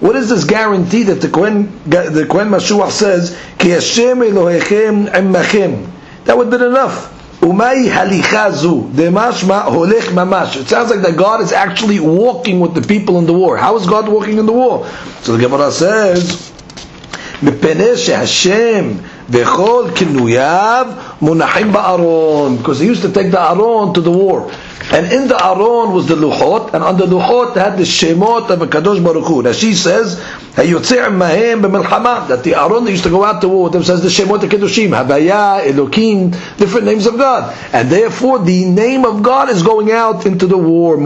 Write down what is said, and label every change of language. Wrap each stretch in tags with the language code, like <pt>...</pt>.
<en>What is this guarantee that the Kohen Mashuach says,</en> <he>כי השם אלוהיכם עמכם?</he> <en>That would be enough.</en> <he>ומה הליכה זו? דמש מה הולך ממש.</he> <en>It sounds like that God is actually walking with the people in the war. How is God walking in the war? So the Gemara says,</en> <he>מפני שהשם וכל כינויו מונחים בארון.</he> <en>Because he used to take the Aron to the war. And in the Aron was the Luchot, and on the Luchot they had the Shemot of a Kadosh Baruch Hu. Rashi says,</en> <he>"Hayotzei mahem b'melchama,"</he> <en>that the Aron that used to go out to war with them says the Shemot of Kedoshim, Havaya, Elokim, different names of God, and therefore the name of God is going out into the war.</en>